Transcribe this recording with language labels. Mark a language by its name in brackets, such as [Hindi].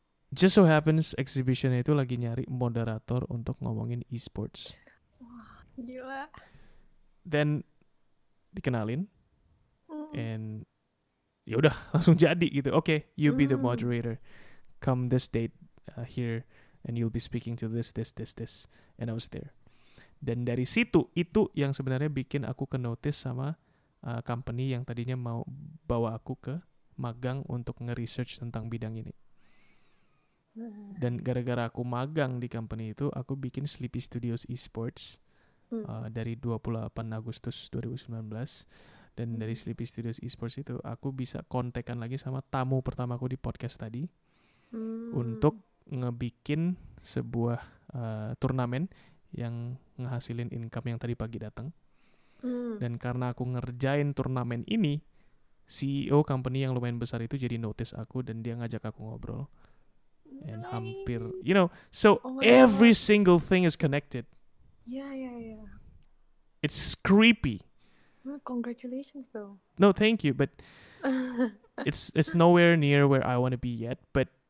[English] Just so happens, [Indonesian] exhibition itu lagi nyari moderator untuk ngomongin e-sports. Wah, gila. Then, dikenalin. And, yaudah, langsung jadi gitu. [English] Okay, you be the moderator. Come this date here, and you'll be speaking to this. And I was there. [Indonesian] Dan dari situ, itu yang sebenarnya bikin aku kenotis sama company yang tadinya mau bawa aku ke magang untuk nge-research tentang bidang ini. Dan gara-gara aku magang di company itu, aku bikin Sleepy Studios Esports dari 28 Agustus 2019. Dan dari Sleepy Studios Esports itu, aku bisa kontekan lagi sama tamu pertama aku di podcast tadi untuk ngebikin sebuah turnamen yang ngehasilin income yang tadi pagi datang. Dan karena aku ngerjain turnamen ini, CEO company yang lumayan besar itu jadi notice aku dan dia ngajak aku ngobrol. [English] And hampir, you know, so every single thing is connected. Yeah. It's creepy. Congratulations, though. No, thank you, but it's nowhere near where I want to be yet, but...